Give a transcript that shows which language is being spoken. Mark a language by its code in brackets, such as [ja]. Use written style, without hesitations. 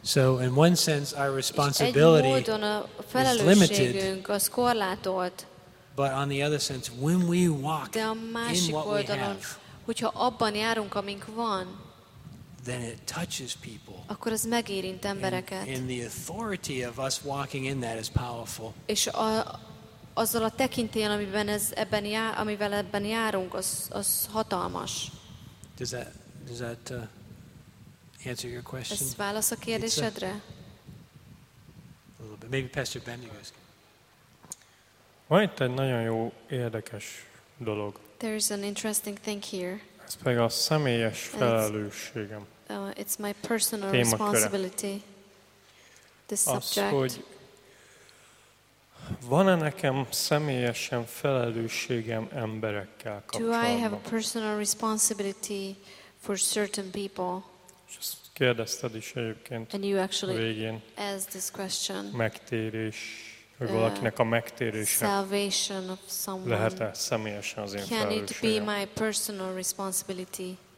[en] So in one sense our responsibility is limited. [hu] Egy módon a felelősségünk az korlátolt. [en] But on the other sense, when we walk [hu] de a másik oldalon, hogyha abban járunk, amink van, [en] then it touches people. [hu] Akkor ez megérint embereket. [en] And the authority of us walking in that is powerful. [hu] És azzal a tekintélyen, amivel ebben járunk, az hatalmas. [en] Does that answer your question? [hu] Ez válasz a kérdésedre? [en] Maybe Pastor Bendigo. [hu] Van itt egy nagyon jó, érdekes dolog. [en] There is an interesting thing here. [hu] Ez pedig a személyes felelősségem. [en] It's my personal responsibility. This subject. [hu] Az, hogy van-e nekem személyesen felelősségem emberekkel kapcsolatban? [en] Do I have a personal responsibility for certain people? [hu] Just kérdezted is egyébként [en] and you actually [hu] végén [en] asked this question. [hu] Megtérés, hogy valakinek a megtérése [en] salvation of someone. [hu] Lehet-e személyesen az én [en] felelősségem? Can it be my personal responsibility?